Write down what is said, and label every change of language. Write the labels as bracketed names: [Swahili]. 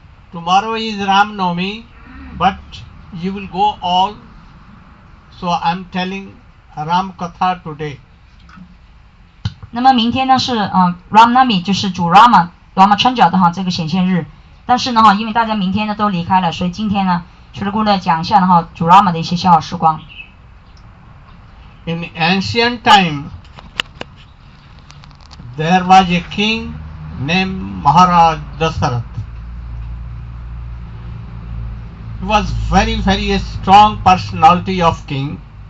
[English] Tomorrow is Ram Navami, but you will go all. So I'm telling Ram Katha today. [Chinese] 那么明天呢是 Ram Navami， 就是主 Ramachandra 的这个显现日。但是呢因为大家明天呢都离开了，所以今天呢，除了跟大家讲一下主 Rama 的一些逍遥时光。 [English] In ancient time, there was a king named Maharaj Dasarath. He was very, very a strong personality of king.